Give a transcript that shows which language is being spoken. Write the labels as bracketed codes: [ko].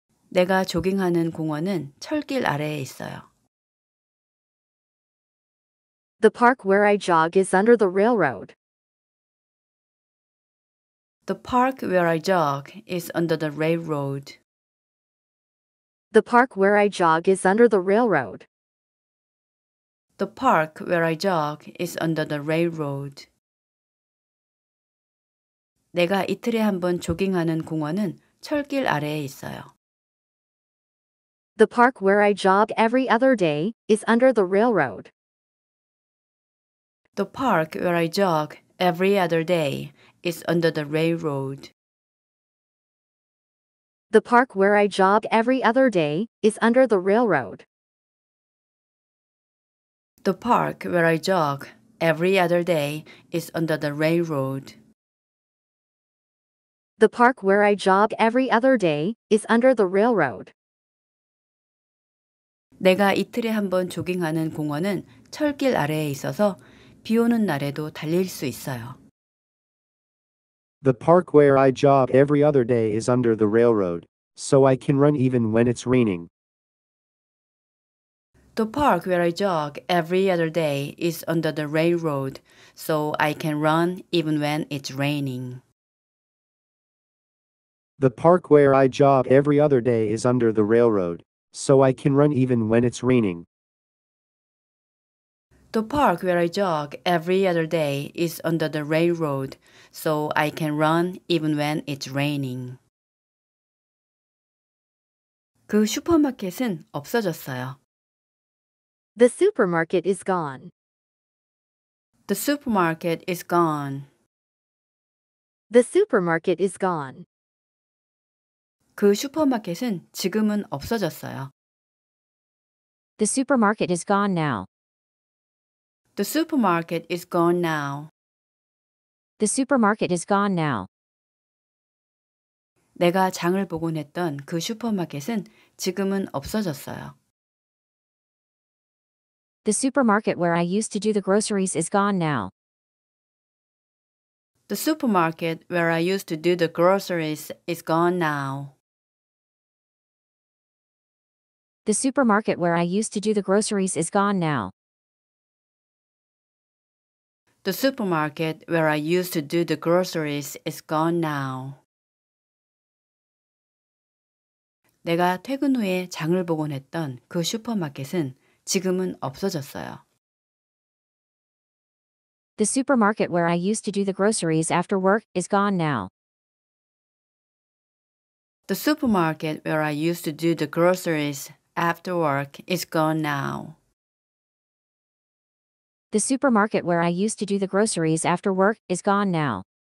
[ko] 내가 조깅하는 공원은 철길 아래에 있어요. [en] The park where I jog is under the railroad. The park where I jog is under the railroad. The park where I jog is under the railroad. The park where I jog is under the railroad. [ko] 내가 이틀에 한 번 조깅하는 공원은 철길 아래에 있어요. [en] The park where I jog every other day is under the railroad. The park where I jog every other day is under the railroad. The park where I jog every other day is under the railroad. The park where I jog every other day is under the railroad. The park where I jog every other day is under the railroad. [ko] 내가 이틀에 한 번 조깅하는 공원은 철길 아래에 있어서 비 오는 날에도 달릴 수 있어요. [en] The park where I jog every other day is under the railroad, so I can run even when it's raining. The park where I jog every other day is under the railroad, so I can run even when it's raining. The park where I jog every other day is under the railroad, so I can run even when it's raining. The park where I jog every other day is under the railroad, so I can run even when it's raining. [ko] 그 슈퍼마켓은 없어졌어요. [en] The supermarket is gone. The supermarket is gone. The supermarket is gone. [ko] 그 슈퍼마켓은 지금은 없어졌어요. [en] The supermarket is gone now. The supermarket is gone now. The supermarket is gone now. [ko] 내가 장을 보곤 했던 그 슈퍼마켓은 지금은 없어졌어요. [en] The supermarket where I used to do the groceries is gone now. The supermarket where I used to do the groceries is gone now. The supermarket where I used to do the groceries is gone now. The supermarket where I used to do the groceries is gone now. [ko] 내가 퇴근 후에 장을 보곤 했던 그 슈퍼마켓은 지금은 없어졌어요. [en] The supermarket where I used to do the groceries after work is gone now. The supermarket where I used to do the groceries after work is gone now. The supermarket where I used to do the groceries after work is gone now.